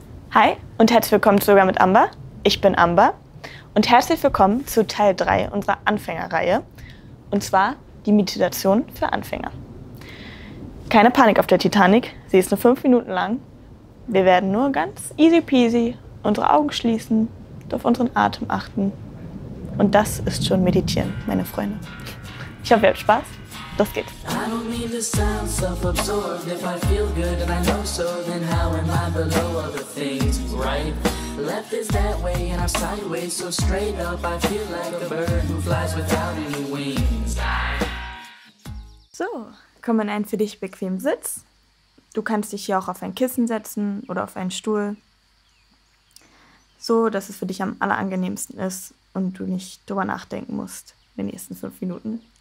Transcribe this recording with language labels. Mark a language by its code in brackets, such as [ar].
[de] Hi und herzlich willkommen zu Yoga mit Amber. Ich bin Amber und herzlich willkommen zu Teil 3 unserer Anfängerreihe, und zwar die Meditation für Anfänger. Keine Panik auf der Titanic, sie ist nur 5 Minuten lang. Wir werden nur ganz [en] easy peasy [de] unsere Augen schließen, auf unseren Atem achten. Und das ist schon Meditieren, meine Freunde. Ich hoffe, ihr habt Spaß. Los geht's. [en] I don't mean to sound self-absorbed. If I feel good and I know so, then how am I below other things, right? Left is that way and I'm sideways, so straight up I feel like a bird who flies without any wings. [de] So, komm in einen für dich bequemen Sitz. Du kannst dich hier auch auf ein Kissen setzen oder auf einen Stuhl. So, dass es für dich am allerangenehmsten ist und du nicht drüber nachdenken musst in den nächsten 5 Minuten.